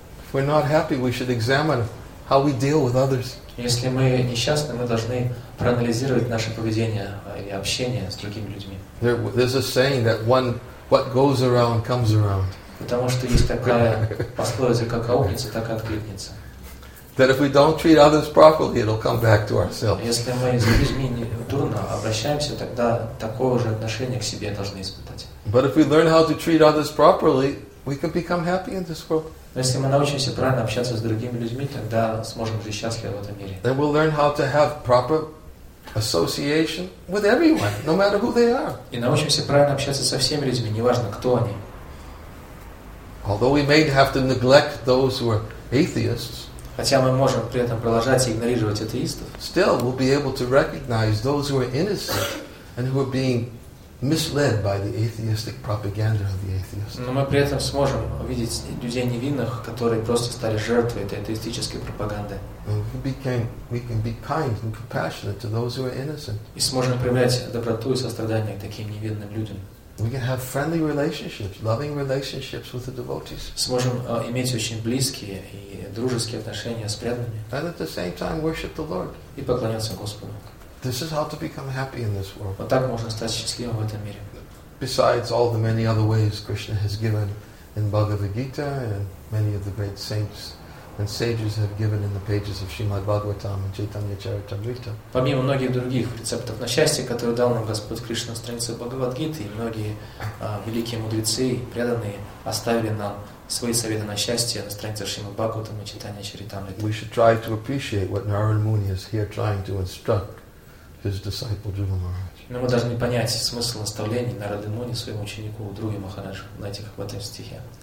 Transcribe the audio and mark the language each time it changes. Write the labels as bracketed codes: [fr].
[en] If we're not happy, we should examine how we deal with others. [ru] Если мы несчастны, мы должны проанализировать наше поведение и общение с другими людьми. [en] There's a saying that one what goes around comes around. [ru] Потому что есть такая пословица, как аукнется, так и откликнется. [en] That if we don't treat others properly, it'll come back to ourselves. [ru] Если мы с людьми дурно обращаемся, тогда такое же отношение к себе должны испытать. [en] But if we learn how to treat others properly, we can become happy in this world. [ru] Если мы научимся правильно общаться с другими людьми, тогда сможем жить счастливо в этом мире. [en] Then we'll learn how to have proper association with everyone, no matter who they are. [ru] И научимся правильно общаться со всеми людьми, неважно кто они. [en] Although we may have to neglect those who are atheists, [ru] хотя мы можем при этом продолжать игнорировать атеистов, [en] still we'll be able to recognize those who are innocent and who are being misled by the atheistic propaganda of the atheists. [ru] Но мы при этом сможем увидеть людей невинных, которые просто стали жертвой этой атеистической пропаганды. [en] We can be kind and compassionate to those who are innocent. [ru] И сможем проявлять доброту и сострадание к таким невинным людям. [en] We can have friendly relationships, loving relationships with the devotees. [ru] Сможем иметь очень близкие и дружеские отношения с преданными. [en] And at the same time worship the Lord. [ru] И поклоняться Господу. [en] This is how to become happy in this world. [ru] Вот так можно стать счастливым в этом мире. [en] Besides all the many other ways Krishna has given in Bhagavad Gita, and many of the great saints and sages have given in the pages of Srimad Bhagavatam and Chaitanya Charitamrita. [ru] Помимо многих других рецептов на счастье, которые дал нам Господь Кришна в странице Бхагавад-гиты, многие великие мудрецы, преданные, оставили нам свои советы на счастье на странице Шримад Бхагаватам и Чайтанья Чаритамрита. [en] We should try to appreciate what Narada Muni is here trying to instruct his disciple Dhruva Maharaj. [ru] Но мы должны понять смысл наставлений Нарады Муни своему ученику Друге Махараджу на этих в этом стихе.